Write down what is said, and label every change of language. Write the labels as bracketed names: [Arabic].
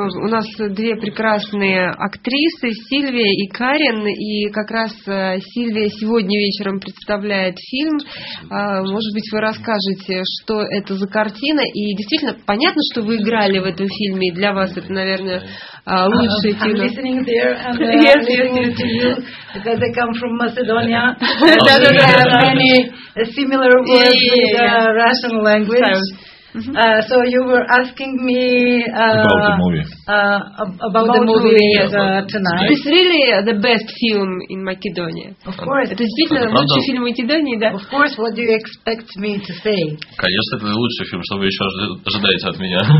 [Russian] У нас две прекрасные актрисы, Сильвия и Карен. И как раз Сильвия сегодня вечером представляет фильм. Может быть, вы расскажете, что это за картина. И действительно, понятно, что вы играли в этом фильме. И для вас это, наверное, лучшее кино. [English] I'm listening there. And yes, listening to you. Because I come from Macedonia. And I have many similar words with Russian language. Mm-hmm. So you were asking me about the movie tonight. It's really the best film in Macedonia. Of course. [Russian] Это действительно лучший фильм в Македонии, да? [English] Of course, what do you expect me to say? [Russian] Конечно, это лучший фильм, что вы еще ожидаете от меня.